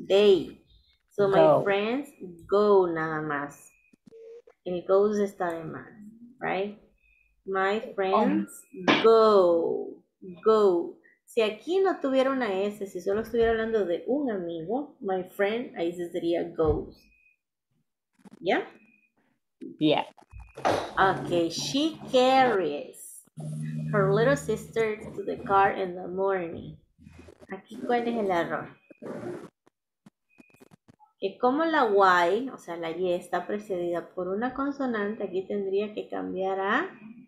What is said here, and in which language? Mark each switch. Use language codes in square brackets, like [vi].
[en] They. So my go. Friends go [es] nada más. El goes está de más, [en] right? My friends go. Go. [es] Si aquí no tuviera una S, si solo estuviera hablando de un amigo, [en] my friend, [es] ahí se sería goes. ¿Ya? [en] Yeah. Okay, she carries her little sister to the car in the morning. [es] Aquí, ¿cuál es el error? Que como la Y, o sea, la Y está precedida por una consonante, aquí tendría que cambiar a...